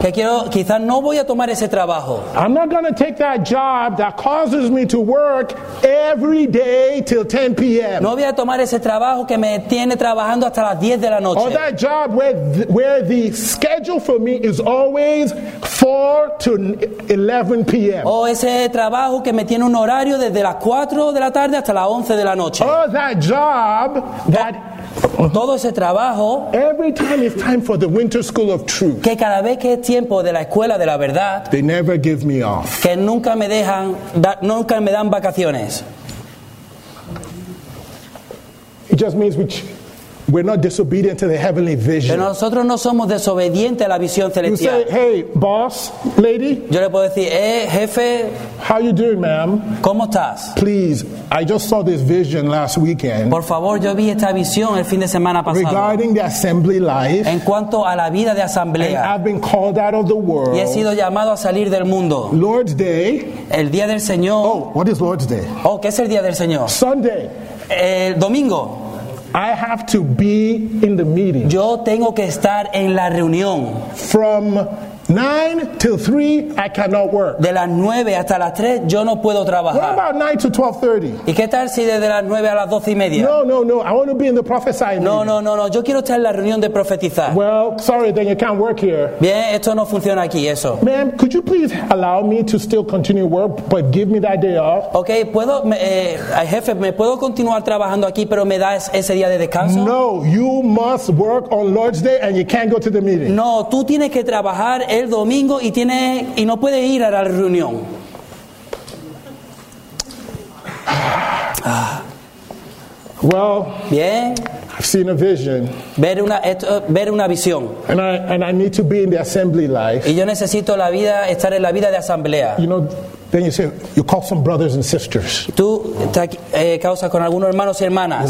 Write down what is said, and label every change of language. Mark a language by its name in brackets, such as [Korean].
[Spanish] Que quiero, quizás no voy a tomar ese trabajo. [English] I'm not going to take that job that causes me to work every day till 10 p.m. [Spanish] No voy a tomar ese trabajo que me tiene trabajando hasta las 10 de la noche. [English] Or that job where the schedule for me is always 4 to 11 p.m. [Spanish] O ese trabajo que me tiene un horario desde las 4 de la tarde hasta las 11 de la noche. [English] Oh, that job that [Spanish] todo ese trabajo. [English] Every time it's time for the winter school of truth. [Spanish] Que cada vez que es tiempo de la escuela de la verdad. [English] They never give me off. [Spanish] Que nunca me dejan, nunca me dan vacaciones. [English] It just means we're not disobedient to the heavenly vision. [Spanish] Pero nosotros no somos desobedientes a la visión celestial. [English] You say, hey, boss, lady. [Spanish] Yo le puedo decir, jefe. [English] How you doing, ma'am? [Spanish] ¿Cómo estás? [English] Please, I just saw this vision last weekend. [Spanish] Por favor, yo vi esta visión el fin de semana pasado. [English] Regarding the assembly life. [Spanish] En cuanto a la vida de asamblea. [English] I've been called out of the world. [Spanish] Y he sido llamado a salir del mundo. [English] Lord's Day. [Spanish] El día del Señor. [English] Oh, what is Lord's Day? [Spanish] Oh, ¿qué es el día del Señor? [English] Sunday. [Spanish] El domingo. [English] I have to be in the meeting. [Spanish] Yo tengo que estar en la reunión. [English] From 9 till 3, I cannot work. [Spanish] De las 9 hasta las 3, yo no puedo trabajar. [English] What about 9 to 12:30? [Spanish] ¿Y qué tal si desde las 9 a las 12 y media? [English] No. I want to be in the prophesying. [Spanish] No. Yo quiero estar en la reunión de profetizar. [English] Well, sorry, then you can't work here. [Spanish] Bien, esto no funciona aquí, eso. [English] Ma'am, could you please allow me to still continue work, but give me that day off? [Spanish] Okay, puedo, jefe, ¿me puedo continuar trabajando aquí, pero me das ese día de descanso? [English] No, you must work on Lord's Day and you can't go to the meeting. [Spanish] No, tú tienes que trabajar el domingo y no puede ir a la reunión. [English] Well, [Spanish] bien. [English] I've seen a vision. [Spanish] Ver una visión. [English] And I need to be in the assembly life. [Spanish] Y yo necesito la vida, estar en la vida de asamblea. [English] You know, then you say, you call some brothers and sisters. [Spanish] Tú causa con algunos hermanos y hermanas.